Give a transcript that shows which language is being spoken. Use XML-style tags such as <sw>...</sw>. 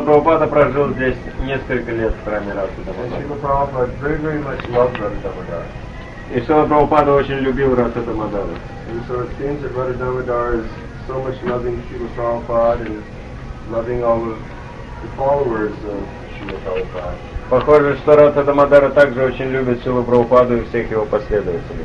<ru>Прабхупада прожил здесь несколько лет в храме Радха Дамодара. И Шрила Прабхупада очень любил Радха Дамодара.</ru> <en>And so it seems that Radha Damodara is so much loving Shrila Prabhupada and loving all of the followers of Shrila Prabhupada.</en> <ru>Похоже, что Радха Дамодара также очень любит Шрилу Прабхупаду и всех его последователей.</ru>